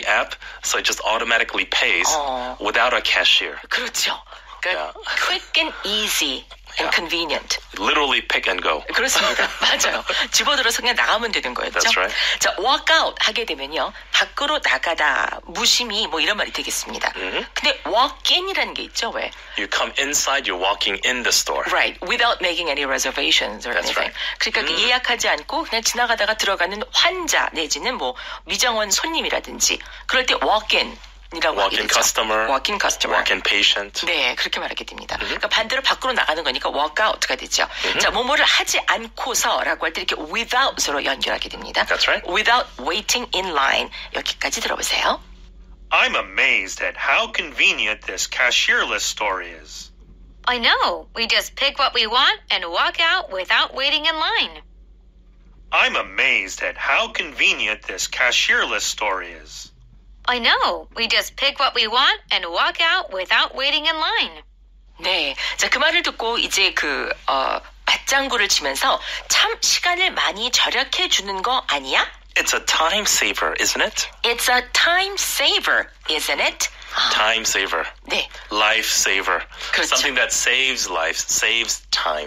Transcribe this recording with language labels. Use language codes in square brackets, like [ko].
[en] and the app, so it just automatically pays without a cashier. [ko] 그렇죠. 그러니까 [en] yeah. quick and easy. And convenient. Literally pick and go. [ko] 그렇습니다. 맞아요. 집어들어서 그냥 나가면 되는 거였죠. [en] That's right. [ko] 자, walk out 하게 되면요. 밖으로 나가다, 무심히 뭐 이런 말이 되겠습니다. Mm-hmm. 근데 walk in이라는 게 있죠, 왜? [en] You come inside, you're walking in the store. Right. Without making any reservations or That's Right. [ko] 그러니까 예약하지 않고 그냥 지나가다가 들어가는 환자 내지는 뭐 미장원 손님이라든지 그럴 때 walk in. [en] Walk-in customer, walk-in customer, walk-in patient. [ko] 네, 그렇게 말하게 됩니다. 그러니까 반대로 밖으로 나가는 거니까 walk out가 되죠. 자, 뭐뭐를 하지 않고서라고 할 때 이렇게 without으로 연결하게 됩니다. [en] That's right. Without waiting in line. [ko] 여기까지 들어보세요. [en] I'm amazed at how convenient this cashierless store is. I know. We just pick what we want and walk out without waiting in line. I'm amazed at how convenient this cashierless store is. I know. We just pick what we want and walk out without waiting in line. [ko] 네. 자, 그 말을 듣고 이제 그 맞장구를 치면서 참 시간을 많이 절약해 주는 거 아니야? [en] It's a time saver, isn't it? It's a time saver, isn't it? Time saver. [ko] 네. [en] Life saver. [ko] 그렇죠. [en] Something that saves lives, saves time.